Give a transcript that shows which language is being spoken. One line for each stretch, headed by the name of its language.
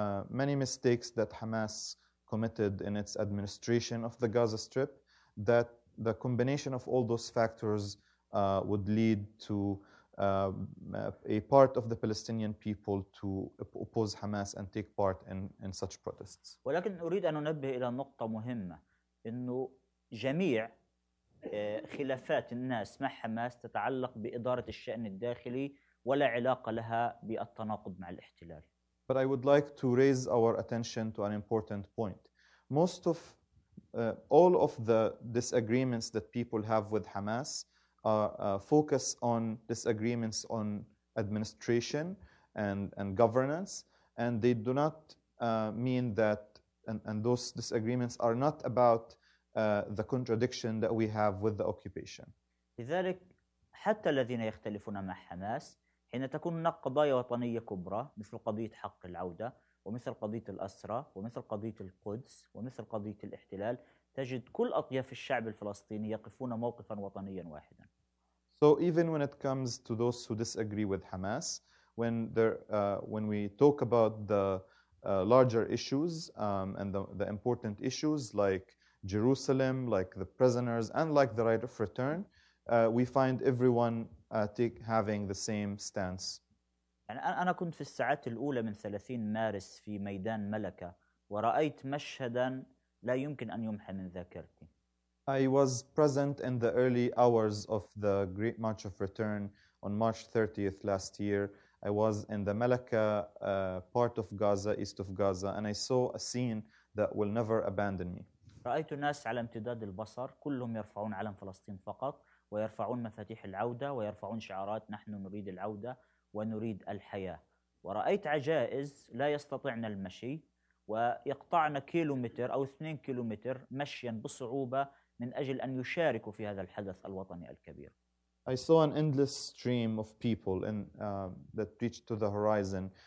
English: many mistakes that Hamas committed in its administration of the Gaza Strip, that the combination of all those factors would lead to a part of the Palestinian people to oppose Hamas and take part in such protests.
Arabic: ولكن أريد أن أنبه إلى نقطة مهمة، إنه جميع خلافات الناس مع حماس تتعلق بإدارة الشأن الداخلي ولا علاقة لها بالتناقض مع الاحتلال.
English: But I would like to raise our attention to an important point. Most of all of the disagreements that people have with Hamas focus on disagreements on administration and governance, and they do not mean that, and those disagreements are not about the contradiction that we have with the occupation.
Arabic: لذلك حتى الذين يختلفون مع حماس حين تكون هناك قضايا وطنية كبرى مثل قضية حق العودة ومثل قضية الأسرى ومثل قضية القدس ومثل قضية الاحتلال تجد كل أطياف الشعب الفلسطيني يقفون موقفا وطنيا واحدا.
English: So even when it comes to those who disagree with Hamas, when we talk about the larger issues and the important issues like Jerusalem, like the prisoners, and like the right of return, we find everyone having the same stance.
Arabic: أنا كنت في الساعات الأولى من 30 مارس في ميدان ملكة ورأيت مشهدا لا يمكن أن يمحى من ذاكرتي.
English: I was present in the early hours of the Great March of Return on March 30th last year. I was in the Malacca part of Gaza, east of Gaza, and I saw a scene that will never abandon me.
Arabic: رأيت ناس على امتداد البصر كلهم يرفعون علم فلسطين فقط ويرفعون مفاتيح العودة ويرفعون شعارات نحن نريد العودة ونريد الحياة ورأيت عجائز لا يستطيعن المشي ويقطعن كيلومتر أو 2 كيلومتر مشيا بصعوبة من أجل أن يشاركوا في هذا الحدث الوطني الكبير.
English: I saw an endless stream of people in, that reached to the horizon.